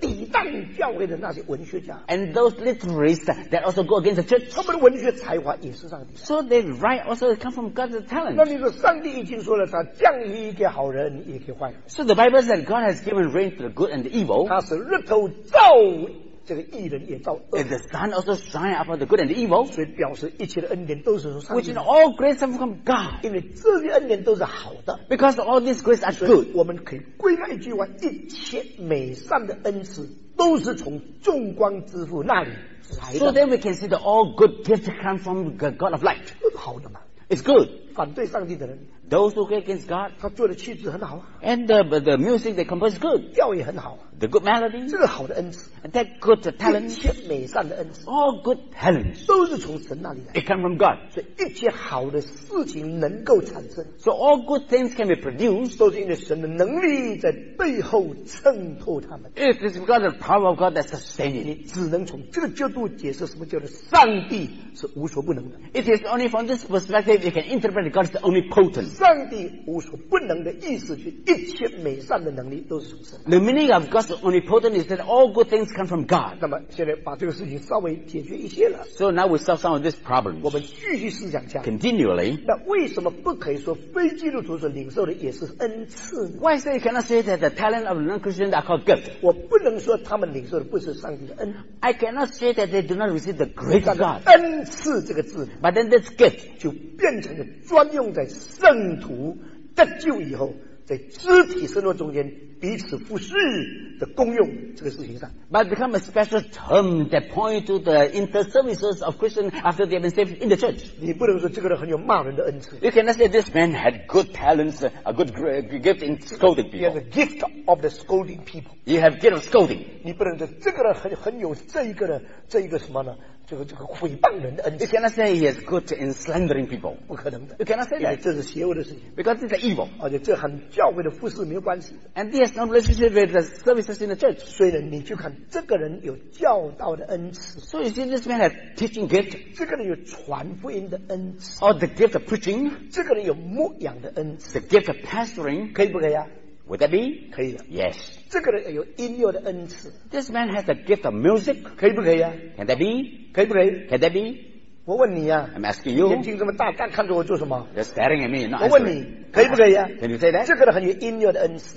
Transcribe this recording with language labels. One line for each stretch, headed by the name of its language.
Chinese: 抵挡教会的那些文学家。
English: And those literaries that also go against the church,
Chinese: 他们的文学才华也是上帝。
English: So they write also come from God's talent.
Chinese: 那你说上帝已经说了，他降雨给好人，也给坏人。
English: So the Bible says that God has given rain to the good and the evil.
Chinese: 他是日头照。这个义人也造恶
English: And the sun also shine upon the good and the evil
Chinese: 所以表示一切的恩典都是从上帝
English: Which is all grace comes from God
Chinese: 因为这些恩典都是好的
English: Because all these grace are good
Chinese: 我们可以归纳一句话一切美善的恩赐都是从众光之父那里来的
English: So then we can see that all good gifts come from the God of light
Chinese: 好的嘛
English: It's good
Chinese: 反对上帝的人。
English: Those who go against God.
Chinese: 他做的曲子很好啊。
English: And the music they compose is good.
Chinese: 调也很好啊。
English: The good melody.
Chinese: 这是好的恩赐。
English: And that good talent.
Chinese: 一切美善的恩赐。
English: All good talents.
Chinese: 都是从神那里来。
English: It come from God.
Chinese: 所以一切好的事情能够产生。
English: So all good things can be produced.
Chinese: 都是因为神的能力在背后衬托他们。
English: It is because of the power of God that sustains it.
Chinese: 你只能从这个角度解释什么叫做上帝是无所不能的。
English: It is only from this perspective you can interpret God is the omnipotent.
Chinese: 上帝无所不能的意思就一切美善的能力都是从神。
English: The meaning of God's omnipotence is that all good things come from God.
Chinese: 那么现在把这个事情稍微解决一些了。
English: So now we solve some of these problems.
Chinese: 我们继续思想一下。
English: Continually.
Chinese: 那为什么不可以说非基督徒所领受的也是恩赐呢？
English: Why is it you cannot say that the talent of non-Christians are called gift?
Chinese: 我不能说他们领受的不是上帝的恩。
English: I cannot say that they do not receive the grace of God.
Chinese: 恩赐这个字。
English: But then this gift
Chinese: 就变成了专用在圣圣徒得救以后，在肢体生活中间彼此服侍的功用这个事情上
English: ，but become a special term that point to the inter-services of Christians after they have been saved in the church.
Chinese: 你不能说这个人很有骂人的恩赐。
English: You cannot say this man had good talents, a good gift in scolding people. He has a gift of the scolding people. You have gift of scolding.
Chinese: 你不能说这个人很有这一个什么呢？这个毁谤人的恩赐。
English: You cannot say he is good in slandering people.
Chinese: 不可能的。
English: You cannot say that.
Chinese: 这是邪恶的事情。
English: Because it's evil.
Chinese: 而且这和教会的服侍没有关系。
English: And he has no relationship with the services in the church.
Chinese: 所以你就看这个人有教导的恩赐。
English: So you see this man has teaching gift.
Chinese: 这个人有传福音的恩赐。
English: Or the gift of preaching.
Chinese: 这个人有牧养的恩赐。
English: The gift of pastoring.
Chinese: 可以不可以啊？
English: Would that be?
Chinese: 可以的。
English: Yes.
Chinese: 这个人有音乐的恩赐。
English: This man has a gift of music.
Chinese: 可以不可以啊？
English: Can that be?
Chinese: 可以不可以？
English: Can that be?
Chinese: 我问你啊。
English: I'm asking you.
Chinese: 眼睛这么大，干看着我做什么？
English: You're staring at me. Not
Chinese: 我问你，可以不可以啊？
English: Can you say that?
Chinese: 这个人很有音乐的恩赐。